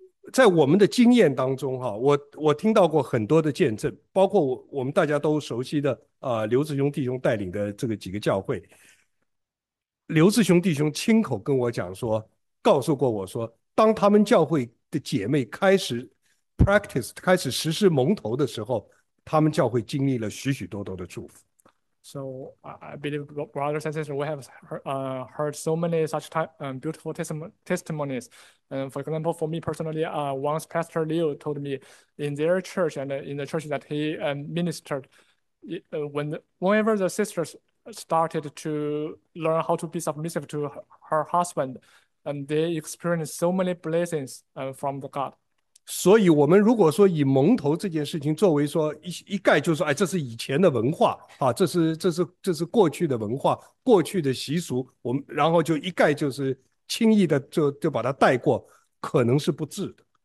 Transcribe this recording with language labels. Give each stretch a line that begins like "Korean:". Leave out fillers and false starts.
Chinese: 在我们的经验当中，哈，我听到过很多的见证，包括我们大家都熟悉的，刘志雄弟兄带领的这个几个教会，刘志雄弟兄亲口跟我讲说，告诉过我说，当他们教会的姐妹开始 practice 开始实施蒙头的时候，他们教会经历了许许多多的祝福。
English: So I believe brothers and sisters, we have heard so many such beautiful testimonies. For example, for me personally, once Pastor Liu told me in their church and in the church that he ministered, whenever the sisters started to learn how to be submissive to her husband, and they experienced so many blessings from the God.
Chinese: 所以，我们如果说以蒙头这件事情作为说一概，就是说，哎，这是以前的文化啊，这是过去的文化，过去的习俗，我们然后就一概就是轻易的就把它带过，可能是不智的。